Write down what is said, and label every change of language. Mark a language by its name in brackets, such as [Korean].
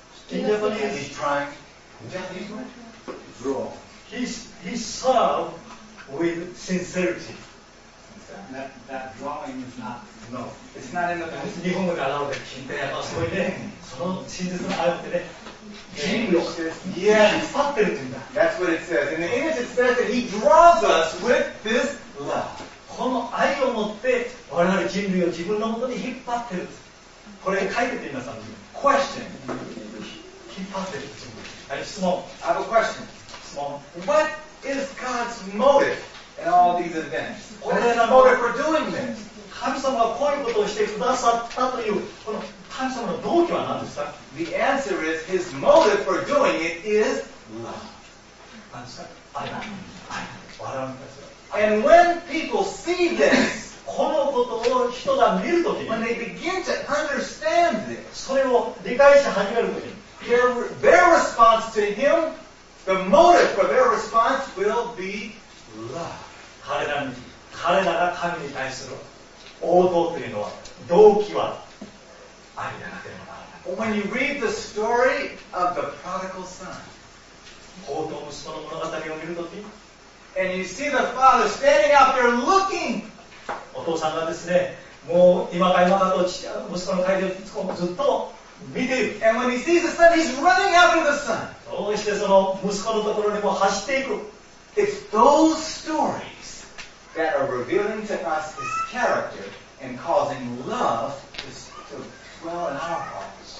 [English] In Japanese, He's trying. In Japanese, what? Draw. He serve with sincerity. That drawing is not. No. It's not in the past. [Japanese] 日本語から表して聞いて、やっぱそういうね、その真実の愛ってね。 [English] That's what it says. In the English, it says that He draws us with this love. [Japanese] この愛を持って我々人類を自分のもとに引っ張ってる。これ書いてて皆さん。 [English] Question. [Japanese] 引っ張ってる。はい、質問。 [English] I have a question. [Japanese] 質問。 [English] What is God's motive in all these events? What is the motive for doing this? [Japanese] 神様はこういうことをしてくださったという、この神様の動機は何ですか？ [English] The answer is, His motive for doing it is love. [Japanese] 何ですか？愛なんです。愛なんです。笑うんですよ。 [English] And when people see this, [Japanese] このことを人が見るときに、 [English] when they begin to understand this, [Japanese] それを理解して始めるときに、 [English] their response to Him, the motive for their response will be love. [Japanese] 彼らが神に対する応答というのは、動機は愛でなければならない。 [English] When you read the story of the prodigal son, [Japanese] 放蕩息子の物語を見るとき、 [English] And you see the father standing out there looking. [Japanese] お父さんがですね、もう今か今かと息子の帰りをずっと見ている。 [English] And when he sees the son, he's running after the son. [Japanese] どうしてその息子のところにも走っていく。 [English] It's those stories that are revealing to us his character and causing love to dwell in our hearts.